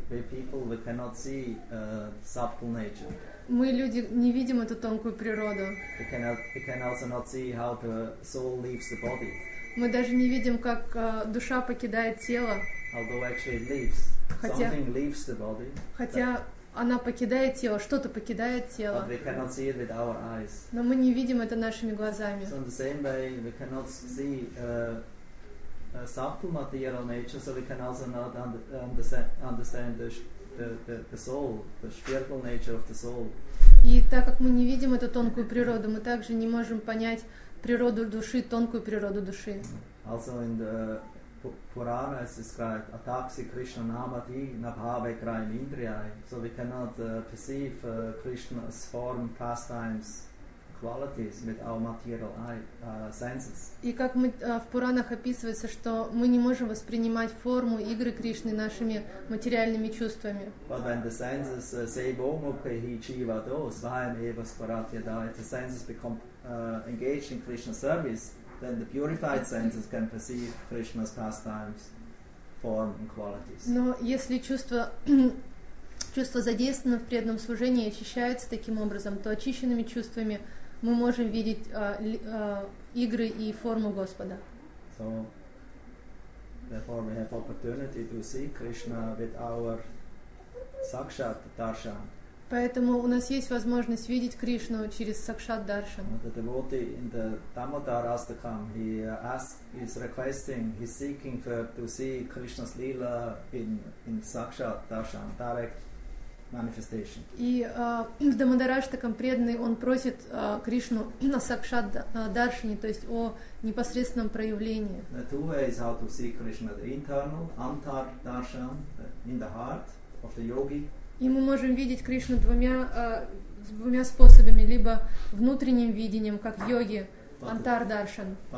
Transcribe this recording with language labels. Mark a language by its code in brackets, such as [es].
[en] People, we cannot see subtle nature. [ru] Мы люди не видим эту тонкую природу. [en] We can also not see how the soul leaves the body. [ru] Мы даже не видим, как душа покидает тело. [en] Although actually it leaves. Something leaves the body. [ru] Хотя она покидает тело, что-то покидает тело. [en] But we cannot see it with our eyes. [ru] Но мы не видим это нашими глазами. [en] So in the same way, we cannot see subtle material nature, so we can also not understand the soul, the spiritual nature of the soul. [ru] И так как мы не видим эту тонкую природу, мы также не можем понять природу души, тонкую природу души. [en] Also in the Purana is described [sa] Atapsi Krishna Namati Nabhave Krayam Indriyai. [en] So we cannot perceive Krishna's form, pastimes, qualities with our material senses. [ru] И как мы в Пуранах описывается, что мы не можем воспринимать форму игры Кришны нашими материальными чувствами. [en] But when the senses say [sa] Bhomukhi Jivado, Svayam Eva Sparatyada, [en] if the senses become engaged in Krishna service, then the purified senses can perceive Krishna's pastimes, form and qualities. [ru] Но если чувства задействованы в преданном служении очищаются таким образом, то очищенными чувствами мы можем видеть игры и форму Господа. [en] So, therefore we have opportunity to see Krishna with our sakshat darshan. [ru] Поэтому у нас есть возможность видеть Кришну через сакшат даршан. [en] The devotee in the Damodar Astakam, he asks, he's requesting, he's seeking to see Krishna's lila in sakshat darshan, direct manifestation. [ru] И в Дамодар Аштакам преданный, он просит Кришну на сакшат даршане, то есть о непосредственном проявлении. [en] The two ways how to see Krishna, the internal, antar darshan, in the heart of the yogi. [ru] И мы можем видеть Кришну двумя способами, либо внутренним видением, как в йоге, антар даршан.